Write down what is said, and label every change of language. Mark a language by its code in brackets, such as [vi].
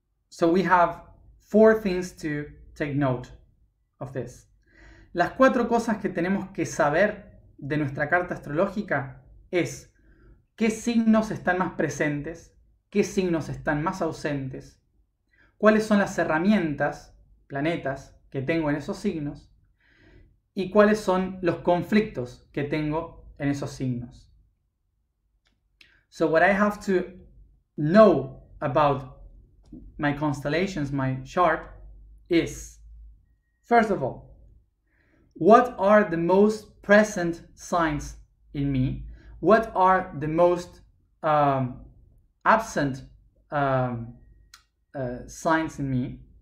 [en] So we have four things to take note of this. [es] Las cuatro cosas que tenemos que saber de nuestra carta astrológica es qué signos están más presentes, qué signos están más ausentes, cuáles son las herramientas, planetas, que tengo en esos signos y cuáles son los conflictos que tengo en esos signos. [en] So what I have to know about my constellations, my chart, is, first of all, what are the most present signs in me? What are the most absent signs in me?